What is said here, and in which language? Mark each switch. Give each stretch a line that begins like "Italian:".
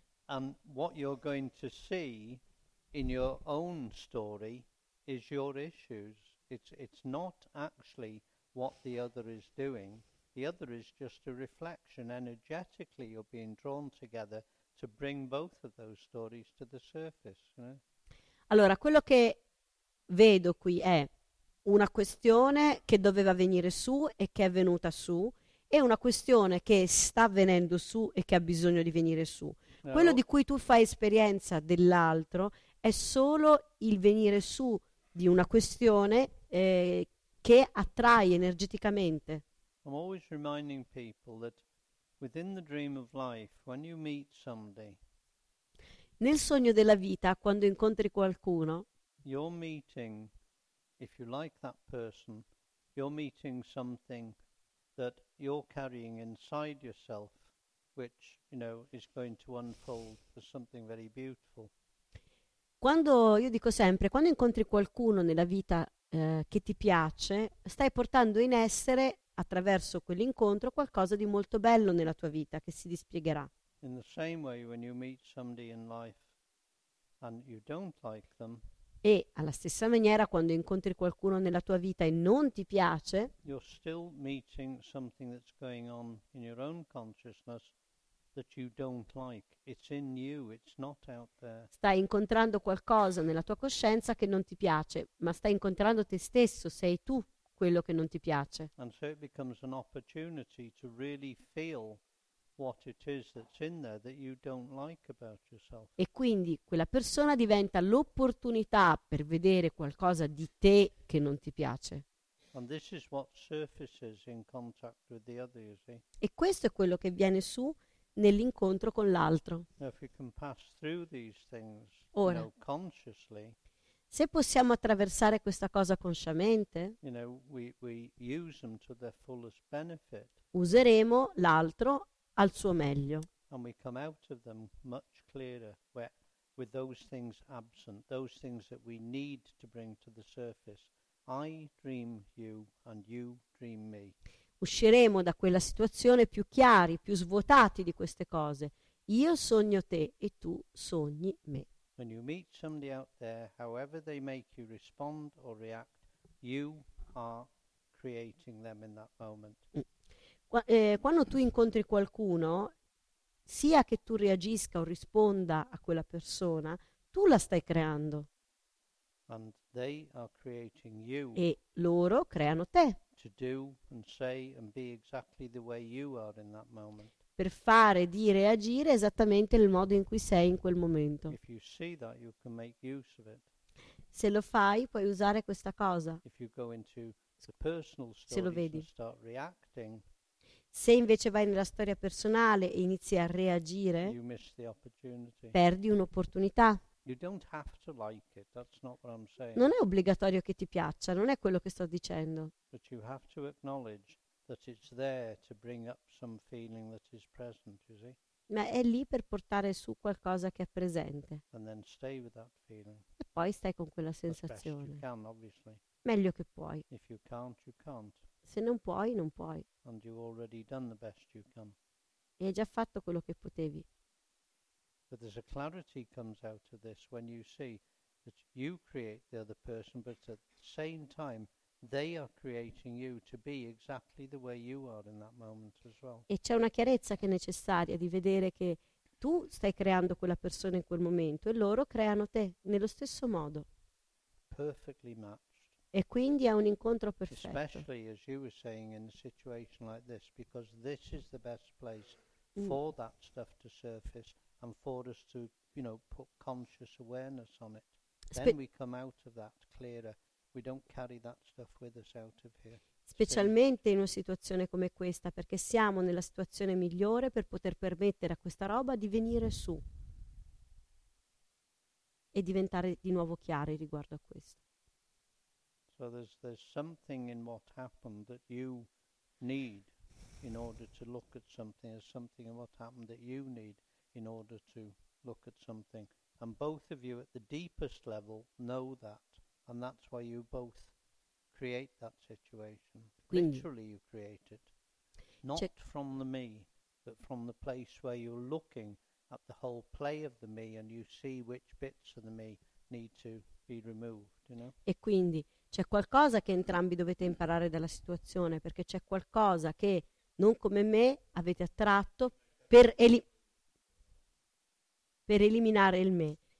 English: And what you're going to see in your own story is your issues. It's not actually what the other is doing. The other is just a reflection. Energetically, you're being drawn together to bring both of those stories to the surface. You know?
Italian: Allora, quello che vedo qui è una questione che doveva venire su e che è venuta su, e una questione che sta venendo su e che ha bisogno di venire su. No. Quello di cui tu fai esperienza dell'altro è solo il venire su di una questione che attrae energeticamente.
English: I'm always reminding people that within the dream of life, when you meet somebody,
Italian: nel sogno della vita, quando incontri qualcuno,
English: you're meeting, if you like that person, you're meeting something that you're carrying inside yourself, which, you know, is going to unfold as something very beautiful.
Italian: Quando, io dico sempre, quando incontri qualcuno nella vita che ti piace, stai portando in essere, attraverso quell'incontro, qualcosa di molto bello nella tua vita, che si dispiegherà.
English: In the same way, when you meet somebody in life and you don't like them,
Italian: e alla stessa maniera, quando incontri qualcuno nella tua vita e non ti piace,
English: you're still meeting something that's going on in your own consciousness that you don't like. It's in you, it's not out there.
Italian: Stai incontrando qualcosa nella tua coscienza che non ti piace, ma stai incontrando te stesso, sei tu quello che non ti piace.
English: And so it becomes an opportunity to really feel what it is that's in there that you don't like about yourself.
Italian: E quindi quella persona diventa l'opportunità per vedere qualcosa di te che non ti piace.
English: And this is what surfaces in contact with the other, you see.
Italian: E questo è quello che viene su nell'incontro con l'altro.
English: Now if you can pass through these things,
Italian: ora,
English: you know, consciously,
Italian: se possiamo attraversare questa cosa consciamente,
English: you know, we use them to their fullest benefit.
Italian: Useremo l'altro al suo meglio.
English: And we come out of them much clearer, where, with those things absent, those things that we need to bring to the surface. I dream you and you dream me.
Italian: Usciremo da quella situazione più chiari, più svuotati di queste cose. Io sogno te e tu sogni me.
English: When you meet somebody out there, however they make you respond or react, you are creating them in that moment.
Italian: Quando tu incontri qualcuno, sia che tu reagisca o risponda a quella persona, tu la stai creando.
English: And they are creating you.
Italian: E loro creano te.
English: To do and say and be exactly the way you are in that moment.
Italian: Per fare, dire e agire esattamente nel modo in cui sei in quel momento.
English: If you see that, you can make use of it.
Italian: Se lo fai, puoi usare questa cosa.
English: If you go into the personal stories,
Italian: se lo vedi.
English: And start reacting,
Italian: se invece vai nella storia personale e inizi a reagire,
English: you miss the opportunity.
Italian: Perdi un'opportunità.
English: You don't have to like it. That's not what I'm saying.
Italian: Non è obbligatorio che ti piaccia, non è quello che sto dicendo. Ma tu devi
English: acknowledge that it's there to bring up some feeling that is present, you see?
Italian: Ma è lì per portare su qualcosa che è presente.
English: And then stay with that feeling.
Italian: E poi stai con quella sensazione.
English: As best you can, obviously.
Italian: Meglio che puoi.
English: If you can't, you can't.
Italian: Se non puoi, non puoi.
English: And you've already done the best you can.
Italian: E hai già fatto quello che potevi.
English: But there's a clarity comes out of this when you see that you create the other person, but at the same time they are creating you to be exactly the way you are in that moment as well.
Italian: E c'è una chiarezza che è necessaria di vedere che tu stai creando quella persona in quel momento e loro creano te nello stesso modo.
English: Perfectly matched.
Italian: E quindi è un incontro perfetto.
English: Especially as you were saying in a situation like this, because this is the best place for that stuff to surface and for us to, you know, put conscious awareness on it. Then we come out of that clearer. We don't carry that stuff with us out of here.
Italian: Specialmente in una situazione come questa, perché siamo nella situazione migliore per poter permettere a questa roba di venire su e diventare di nuovo chiari riguardo a questo.
English: So there's something in what happened that you need in order to look at something. There's something in what happened that you need in order to look at something. And both of you at the deepest level know that. And that's why you both create that situation.
Italian: Quindi,
English: literally you create it. Not from the me, but from the place where you're looking at the whole play of the me and you see which bits of the me need to be removed, you know?
Italian: E quindi C'è qualcosa che entrambi dovete imparare dalla situazione, perché c'è qualcosa che, non come me, avete attratto per eliminare il me.